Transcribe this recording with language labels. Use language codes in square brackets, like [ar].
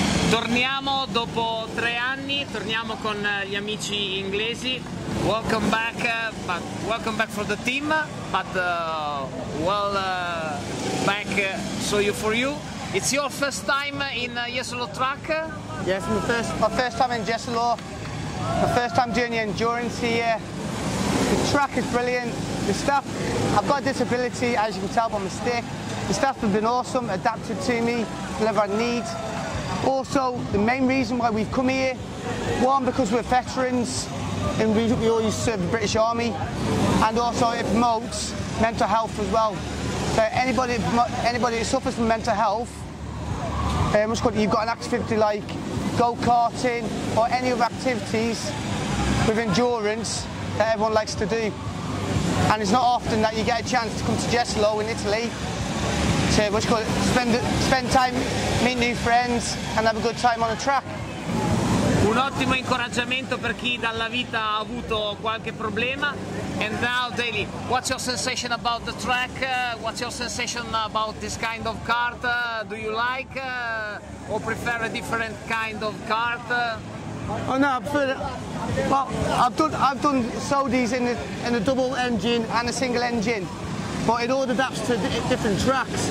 [it] Torniamo dopo 3 anni, torniamo con gli amici inglesi. [en] Welcome back for the team, but well back for you. It's your first time in Jesolo track? Yes, my first time in Jesolo. My first time doing the endurance here. The track is brilliant. The staff, I've got a disability, as you can tell by my stick. The staff have been awesome, adapted to me, whatever I need. Also, the main reason why we've come here, one, because we're veterans and we all used to serve the British Army, and also it promotes mental health as well. So anybody that suffers from mental health, you've got an activity like go-karting or any other activities with endurance that everyone likes to do. And it's not often that you get a chance to come to Jesolo in Italy to spend time, meet new friends and have a good time on the track. [it] Un ottimo incoraggiamento per chi dalla vita ha avuto qualche problema. [en] And now, Daley, what's your sensation about the track? What's your sensation about this kind of kart? Do you like or prefer a different kind of kart? Oh no, I prefer. Well, I've done Saudis in a double engine and a single engine, but it all adapts to different tracks.